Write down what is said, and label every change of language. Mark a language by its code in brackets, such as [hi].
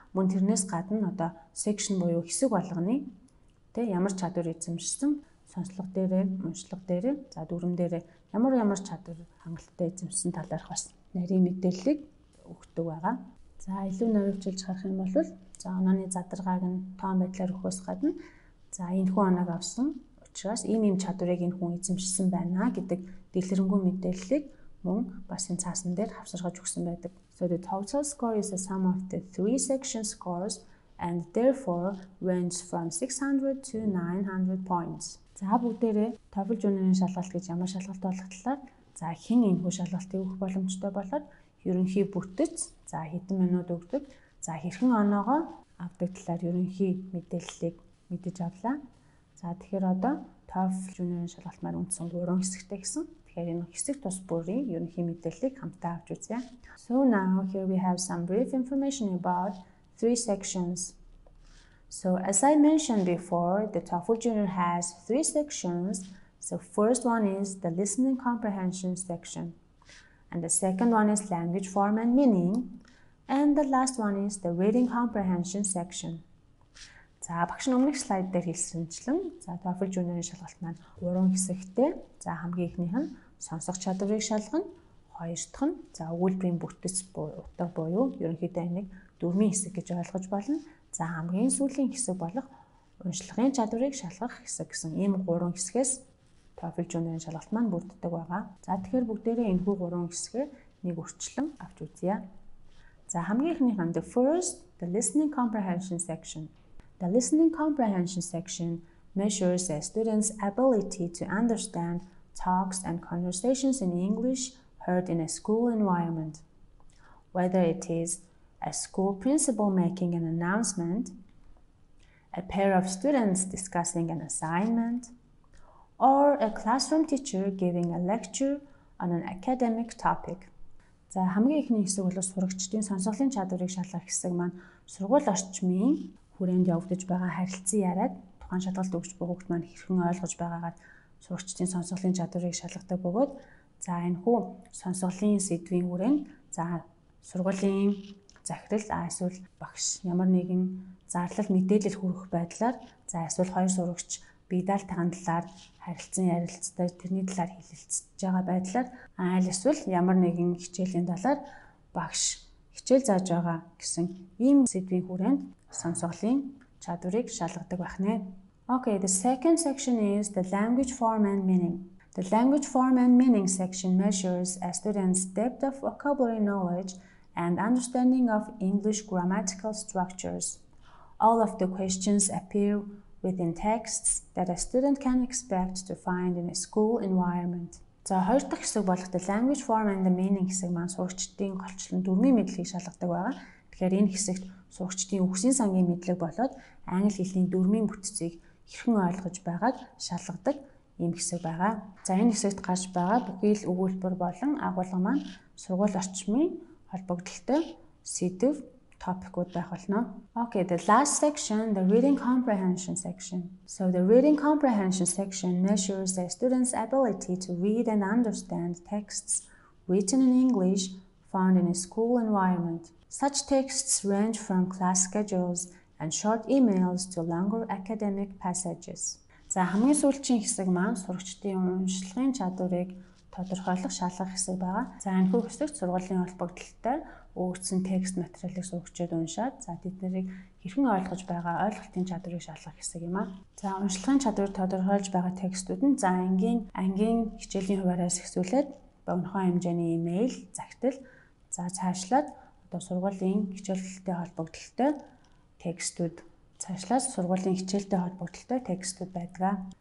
[mn] Мөн тэрнээс гадна одоо section буюу хэсэг болгоны тэ ямар чадвар эзэмшсэн, сонслог дээрээ, уншлог дээрээ, за дүрм дээрээ ямар ямар чадвар хангалттай эзэмшсэн талаарх бас нарийн мэдээллийг өгдөг байгаа. За илүү наривчилж харах юм бол за онооны задрагааг нь тоон байдлаар өгөхөөс гадна за энэ хүн оноог авсан учраас ийм ийм чадварыг энэ хүн эзэмшсэн байна гэдэг дэлгэрэнгүй мэдээллийг мөн бас энэ цаасан дээр хавсаргаж өгсөн байдаг. [en] So the total score is a sum of the three section scores and therefore ranges from 600 to 900 points. [mn] За бүгдээрээ TOEFL Junior-ийн шалгалт гэж ямар шалгалт болох талаар за хин энэ хүү шалгалтыг өгөх боломжтой болоод ерөнхий бүтэц за хэдэн минут өгдөг за хэрхэн оноогоо авдаг талаар ерөнхий мэдээллийг мэдэж авлаа. За тэгэхээр одоо TOEFL Junior-ийн шалгалт маань үндсэн 3 хэсэгтэй гэсэн. Тэгэхээр энэ хэсэг тус бүрийн ерөнхий мэдээллийг хамтдаа авч үзье. [en] So now here we have some brief information about three sections. So as I mentioned before, the TOEFL Junior has three sections. So first one is the listening comprehension section. And the second one is language form and meaning. And the last one is the reading comprehension section. [mn] За багш өмнөх слайд дээр хэлсэнчлэн за TOEFL Junior-ийн шалгалт маань 3 хэсэгтэй. За хамгийн ихнийх нь сонсох чадварыг шалгана. Хоёр дахь нь за өгүүлбэрийн бүтэц утга буюу ерөнхийдөө нэг дөрмийн хэсэг гэж ойлгож болно. За хамгийн сүүлийн хэсэг болох уншлахын чадварыг шалгах хэсэг гэсэн ийм 3 хэсгээс TOEFL Junior-ийн шалгалт маань бүрддэг байгаа. За тэгэхээр бүгдээрээ энэ 3 хэсгээ нэг үрчлэн авч үзье. За хамгийн ихнийх нь [en] the first, the listening comprehension section. The listening comprehension section measures a student's ability to understand talks and conversations in English heard in a school environment. Whether it is a school principal making an announcement, a pair of students discussing an assignment, or a classroom teacher giving a lecture on an academic topic. [mn] За хамгийн ихний хэсэг бол сурагчдын сонсголын чадварыг шалгах хэсэг маань сургууль орчмын хүрээнд явагдаж байгаа харилцан яриад тухайн шалгалт өгч бүгд маань хэрхэн ойлгож байгаагаар сурагчдын сонсголын чадварыг шалгадаг бөгөөд за энэ хүү сонсголын сэдвийн хүрээнд за сургуулийн захирал эсвэл багш ямар нэгэн зарлал мэдээлэл хүргэх байдлаар за эсвэл хоёр сурагч бидал тахан талаар харилцан ярилцдаг тэрний талаар хэлэлцэж байгаа байдлаар айл эсвэл ямар нэгэн хичээлийн талаар багш хичээл зааж байгаа гэсэн ийм сэдвийн хүрээнд сонсголын чадварыг шалгадаг байх нэ. [en] Okay, the second section is the language form and meaning. The language form and meaning section measures a student's depth of vocabulary knowledge and understanding of English grammatical structures. All of the questions appear within texts that a student can expect to find in a school environment. [mn] За хоёр дахь хэсэг болох [en] the language form and the meaning [mn] хэсэг маань сурагчдын голчлон дөрмийн мэдлэгийг шалгадаг байгаа. Тэгэхээр энэ хэсэгт сурагчдын үгсийн сангийн мэдлэг болоод англи хэлний дөрмийн бүтцийг хэрхэн ойлгож байгааг шалгадаг ийм хэсэг байгаа. За энэ хэсэгт гарч байгаа бүхэл өгүүлбэр болон агуулга маань сургууль орчмын холбогдлолтой сэдв topic-уд байх болно. [en] Okay, the last section, the reading comprehension section. So the reading comprehension section measures the student's ability to read and understand texts written in English found in a school environment. Such texts range from class schedules and short emails to longer academic passages. [mn] За хамгийн сүүлийн хэсэг маань сурагчдын уншлагын чадварыг тодорхойлох шалгах хэсэг байгаа. За энэ хэсэгт сургуулийн холбогдлолтой өөрчлөсөн текст материалыг сурагчдад уншаад, за тэднийг хэрхэн ойлгож байгаа ойлголтын чадварыг шалгах хэсэг юм аа. За уншлагын чадвар тодорхойлж байгаа текстүүд нь за ангийн хичээлийн хуваараас эхлүүлээд богинохон хэмжээний имейл, захидал, за цаашлаад одоо сургуулийн хичээлтэй холбогдлолтой текстүүд цаашлаад сургуулийн хичээлтэй холбогдлолтой текстүүд байдаг.